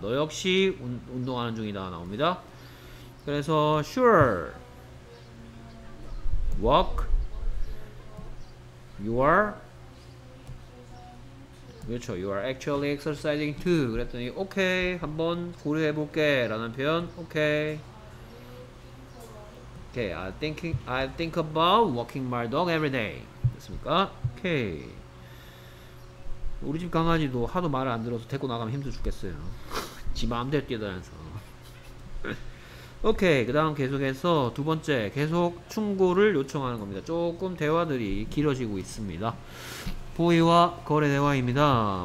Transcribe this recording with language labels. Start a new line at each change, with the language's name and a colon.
Korean: 너 역시 운동하는 중이다 나옵니다. 그래서
English: sure walk. You are
Korean: 그렇죠.
English: You are actually exercising too.
Korean: 그랬더니 오케이 한번 고려해 볼게 라는 표현. 오케이
English: I think about walking my dog every day.
Korean: 됐습니까? 오케이. 우리 집 강아지도 하도 말을 안 들어서 데리고 나가면 힘들 죽겠어요. 지 마음대로 뛰어다녀서. 오케이. 그 다음 계속해서 두 번째 계속 충고를 요청하는 겁니다. 조금 대화들이 길어지고 있습니다. 보이와 거래 대화입니다.